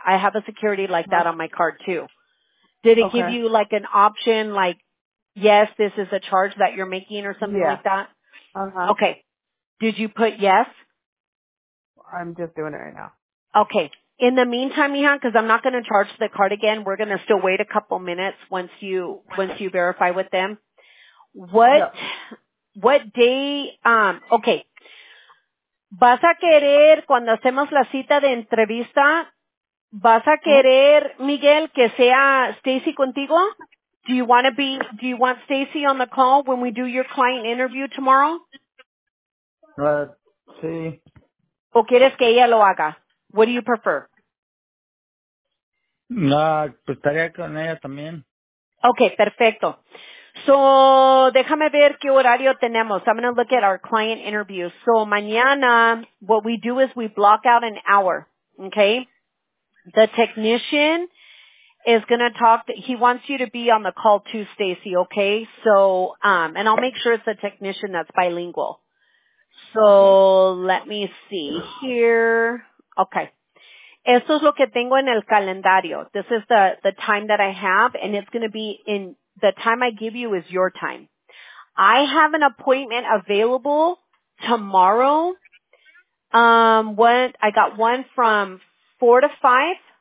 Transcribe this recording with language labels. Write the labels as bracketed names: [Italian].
[English] I have a security like that on my card too. Did it give you like an option like, yes, this is a charge that you're making or something like that? Uh-huh. Okay. Did you put yes? I'm just doing it right now. Okay. In the meantime, Ihan, because I'm not going to charge the card again, we're going to still wait a couple minutes once you verify with them. What day, okay. [Spanish] Vas a querer, cuando hacemos la cita de entrevista, vas a querer, Miguel, que sea Stacy contigo? [English] Do you want Stacy on the call when we do your client interview tomorrow? [Spanish] Sí. ¿O quieres que ella lo haga? [English] What do you prefer? [Spanish] Pues estaría con ella también. Okay, perfecto. So, déjame ver qué horario tenemos. [English] I'm going to look at our client interview. So, mañana, what we do is we block out an hour, okay? The technician is going to talk. He wants you to be on the call too, Stacy, okay? So, and I'll make sure it's a technician that's bilingual. So, let me see here. Okay. [Spanish] Esto es lo que tengo en el calendario. [English] This is the time that I have, and it's going to be in the time I give you is your time. I have an appointment available tomorrow. I got one from 4 to 5.